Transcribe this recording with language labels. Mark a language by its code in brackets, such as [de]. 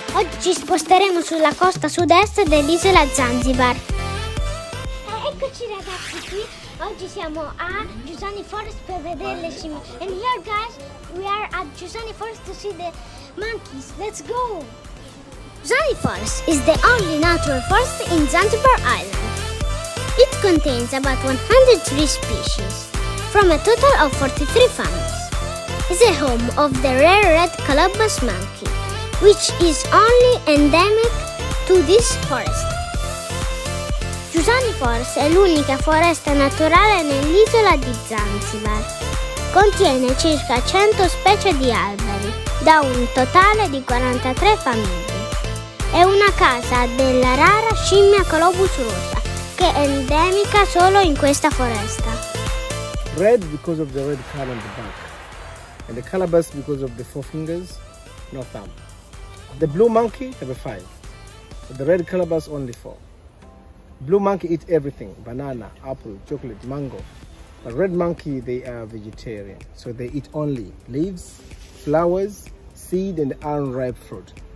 [it] Oggi ci sposteremo sulla costa sud-est dell'isola Zanzibar. Eccoci ragazzi, qui oggi siamo a Jusani Forest per vedere le scimmie. [en] And here guys, we are at Jusani Forest to see the monkeys. Let's go! Jusani Forest is the only natural forest in Zanzibar Island. It contains about 100 tree species from a total of 43 families. It's a home of the rare red Colobus monkey, which is only endemic to this forest. [it] Jusani Forest è l'unica foresta naturale nell'isola di Zanzibar. Contiene circa 100 specie di alberi, da un totale di 43 famiglie. È una casa della rara scimmia Colobus rosa, che è endemica solo in questa foresta. [en] Red because of the red color on the back, and the Colobus because of the four fingers, no thumb. The blue monkey have a 5, but the red Colobus only 4. Blue monkey eat everything, banana, apple, chocolate, mango. But red monkey, they are vegetarian, so they eat only leaves, flowers, seed, and unripe fruit.